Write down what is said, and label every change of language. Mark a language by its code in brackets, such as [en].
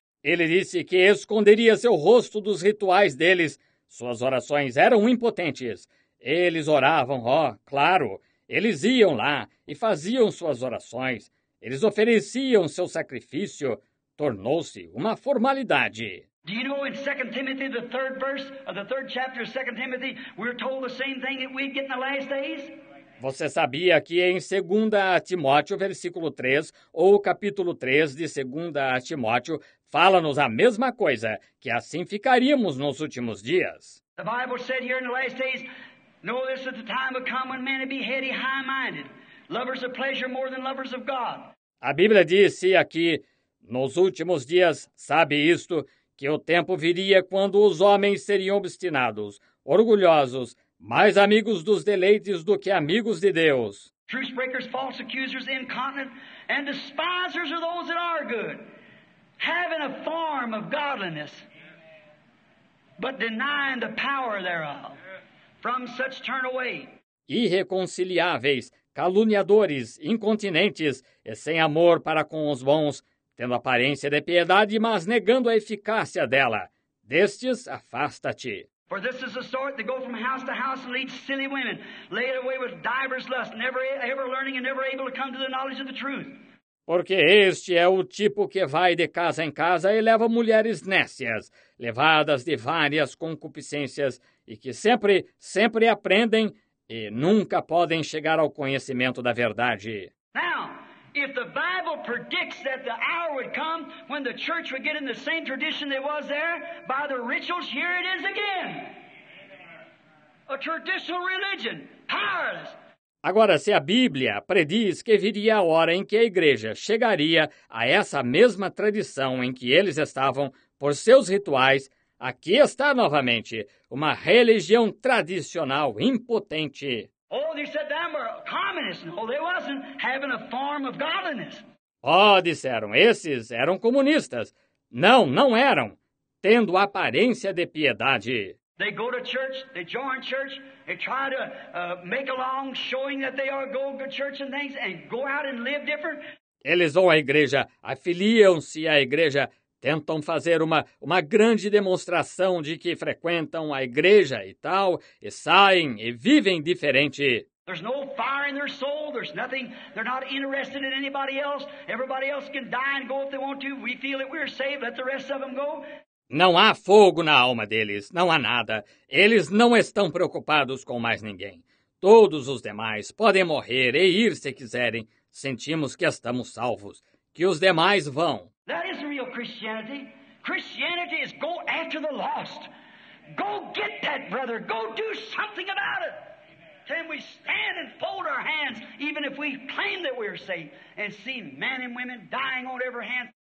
[pt] Ele disse que esconderia seu rosto dos rituais deles. Suas orações eram impotentes. Eles oravam, ó, claro, eles iam lá e faziam suas orações. Eles ofereciam seu sacrifício, tornou-se uma formalidade. [en] Do you know in 2 Timothy, the third verse of the third chapter of 2 Timothy, we're told the same thing that we'd get in the last days? [pt] Você sabia que em 2 Timóteo, versículo 3, ou capítulo 3 de 2 Timóteo, fala-nos a mesma coisa, que assim ficaríamos nos últimos dias. [en] The Bible said here in the last days, know this at the time will come when men will be heady, high-minded, lovers of pleasure more than lovers of God. [pt] A Bíblia disse aqui, nos últimos dias, sabe isto, que o tempo viria quando os homens seriam obstinados, orgulhosos, mais amigos dos deleites do que amigos de Deus. [en] Truth breakers, false accusers, incontinent, and despisers of those that are good, having a form of godliness, but denying the power thereof, from such turn away. [pt] Irreconciliáveis, caluniadores, incontinentes, e sem amor para com os bons, tendo aparência de piedade, mas negando a eficácia dela. Destes, afasta-te. [en] For this is the sort that go from house to house and lead silly women, laid away with divers lusts, never ever learning and never able to come to the knowledge of the truth. [pt] Porque este é o tipo que vai de casa em casa e leva mulheres nécias, levadas de várias concupiscências, e que sempre aprendem e nunca podem chegar ao conhecimento da verdade. [en] Now, if the Bible predicts that the hour would come when the church would get in the same tradition that was there by the rituals, here it is again. A traditional religion, powerless. [pt] Agora, se a Bíblia prediz que viria a hora em que a igreja chegaria a essa mesma tradição em que eles estavam por seus rituais, aqui está novamente uma religião tradicional impotente. [en] Oh, they said they were communists. No, they wasn't, having a form of godliness. [pt] Oh, disseram, esses eram comunistas. Não, não eram, tendo aparência de piedade. [en] They go to church, they join church, they try to make along, showing that they are going to church and things, and go out and live different. [pt] Eles vão à igreja, afiliam-se à igreja, tentam fazer uma grande demonstração de que frequentam a igreja e tal, e saem e vivem diferente. [en] There's no fire in their soul, there's nothing, they're not interested in anybody else. Everybody else can die and go if they want to. We feel it, we're saved, let the rest of them go. [pt] Não há fogo na alma deles, não há nada. Eles não estão preocupados com mais ninguém. Todos os demais podem morrer e ir se quiserem. Sentimos que estamos salvos, que os demais vão. [en] That is real Christianity. Christianity is go after the lost. Go get that brother, go do something about it. Can we stand and fold our hands, even if we claim that we're safe, and see men and women dying on every hand?